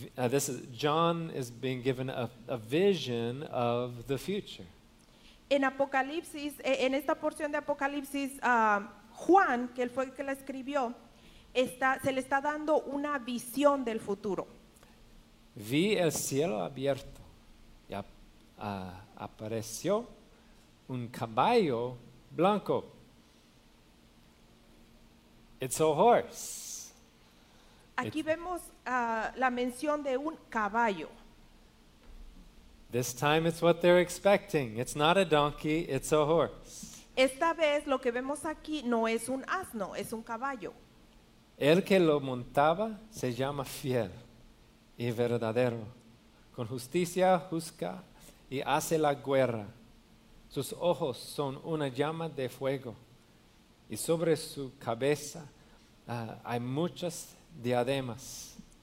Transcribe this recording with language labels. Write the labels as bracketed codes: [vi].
[en] This is John is being given a vision of the future. [es] En Apocalipsis, en esta porción de Apocalipsis, Juan, que él fue el que la escribió, se le está dando una visión del futuro. Vi el cielo abierto y apareció un caballo blanco. [en] It's a horse. [es] Aquí vemos la mención de un caballo. [en] This time it's what they're expecting. It's not a donkey, it's a horse. [es] Esta vez lo que vemos aquí no es un asno, es un caballo. El que lo montaba se llama fiel y verdadero. Con justicia juzga y hace la guerra. Sus ojos son una llama de fuego y sobre su cabeza hay muchas diademas.